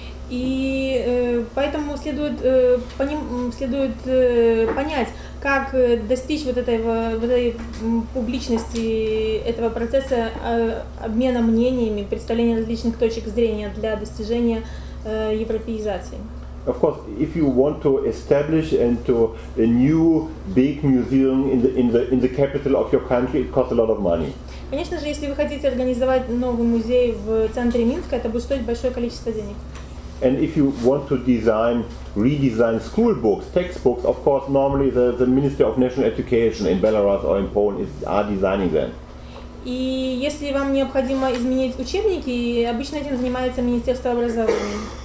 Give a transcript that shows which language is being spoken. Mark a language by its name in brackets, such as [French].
[Russian] И поэтому следует понять, как достичь этой публичности, этого процесса обмена мнениями, представления различных точек зрения для достижения европеизации. [English] Of course, if you want to establish into a new big museum in the capital of your country, it costs a lot of money. [Russian] Конечно же, если вы хотите организовать новый музей в центре Минска, это будет стоить большое количество денег. [English] And if you want to design, redesign school books, textbooks, of course, normally the Minister of National Education in Belarus or in Poland are designing them. [Russian] И если вам необходимо изменить учебники, обычно этим занимается Министерство образования.